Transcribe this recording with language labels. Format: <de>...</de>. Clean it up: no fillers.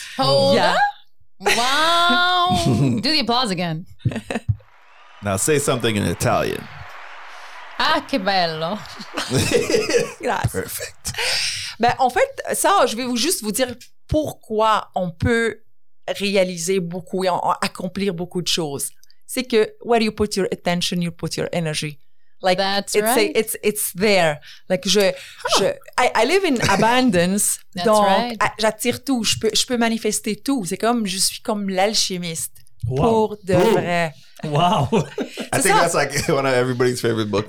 <en>Hold up! Wow! Do the applause again. Now say something in Italian.</en> <it>Ah, che bello! Grazie.</it> <en>Perfect.</en> <fr>Ben, en fait, ça, je vais juste vous dire pourquoi on peut réaliser beaucoup et accomplir beaucoup de choses. C'est que</fr> <en>where you put your attention, you put your energy. Like that's it's there. Like I live in abundance. That's</en> <fr>donc</fr> <en>right.</en> <fr>J'attire tout. Je peux manifester tout. C'est comme je suis comme l'alchimiste pour de vrai.</fr> <en>Wow. I think that's like one of everybody's favorite books.</en>